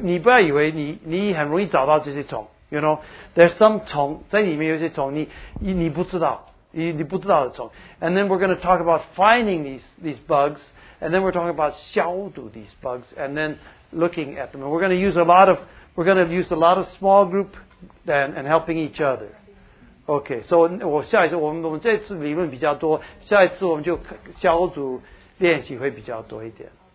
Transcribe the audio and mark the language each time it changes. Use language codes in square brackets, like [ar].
[zh] 你不要以为你很容易找到这些虫。 [en] You know, there's some [zh] 虫在里面有些虫你不知道你不知道的虫 [en] And then we're going to talk about finding these bugs, and then we're talking about [zh] 消毒 [en] these bugs, and then looking at them. And we're going to use a lot of small group and helping each other. Okay, so [zh] 我下一次我们这次理论比较多，下一次我们就消毒练习会比较多一点。